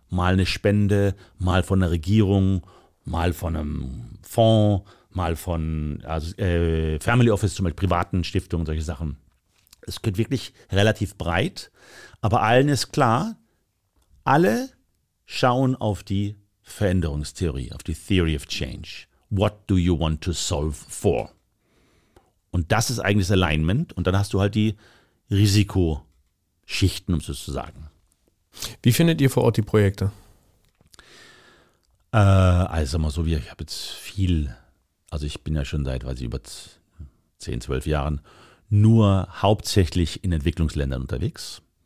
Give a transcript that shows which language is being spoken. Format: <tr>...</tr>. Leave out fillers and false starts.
<de>mal eine Spende, mal von der Regierung, mal von einem Fonds, mal von Family Office, zum Beispiel privaten Stiftungen, solche Sachen. Es geht wirklich relativ breit, aber allen ist klar, alle schauen auf die Veränderungstheorie, auf die Theory of Change.</de> <en>What do you want to solve for?</en> <de>Und das ist eigentlich das Alignment und dann hast du halt die Risikoschichten, um es so zu sagen. Wie findet ihr vor Ort die Projekte? Also mal so, wie ich habe jetzt viel, also ich bin ja schon seit, weiß ich, über 10, 12 Jahren nur hauptsächlich in Entwicklungsländern unterwegs.</de>